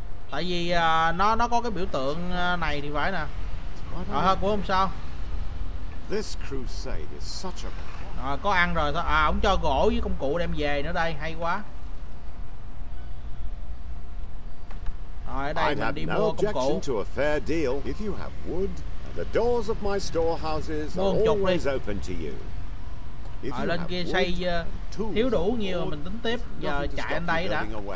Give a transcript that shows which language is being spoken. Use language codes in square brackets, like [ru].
[vi] Tại vì nó có cái biểu tượng này thì phải nè. Rồi thôi, của ông sao? [en] This crusade is such a. [vi] Rồi có ăn rồi thôi. À ông cho gỗ với công cụ đem về nữa đây, hay quá. Rồi ở đây mình đi mua công cụ. [en] To a fair deal. If you have wood. The doors of my storehouses are always open to you. If you [vi] lên kia xây thiếu đủ nhiều mình tính tiếp. Giờ chạy anh đây đã.